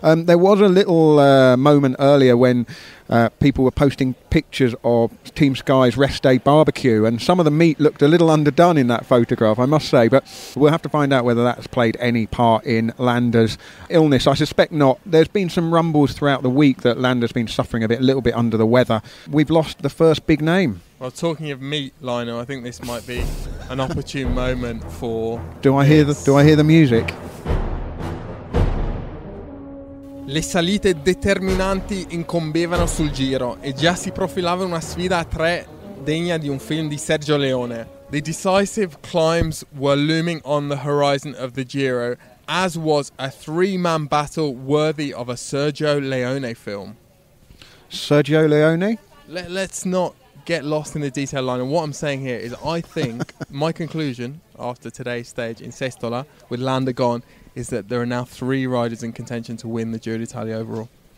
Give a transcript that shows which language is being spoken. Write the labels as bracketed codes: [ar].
[en] There was a little moment earlier when people were posting pictures of Team Sky's rest day barbecue, and some of the meat looked a little underdone in that photograph, I must say, but we'll have to find out whether that's played any part in Landa's illness. I suspect not. There's been some rumbles throughout the week that Landa's been suffering a little bit under the weather. We've lost the first big name. Well, talking of meat, Lionel, I think this might be an opportune moment for... Do I hear the music? [it] Le salite determinanti incombevano sul Giro e già si profilava una sfida a tre degna di un film di Sergio Leone. [en] The decisive climbs were looming on the horizon of the Giro, as was a three-man battle worthy of a Sergio Leone film. Sergio Leone? Let's not get lost in the detail, line. And what I'm saying here is I think my conclusion after today's stage in Sestola with Landa gone is that there are now three riders in contention to win the Giro d'Italia overall.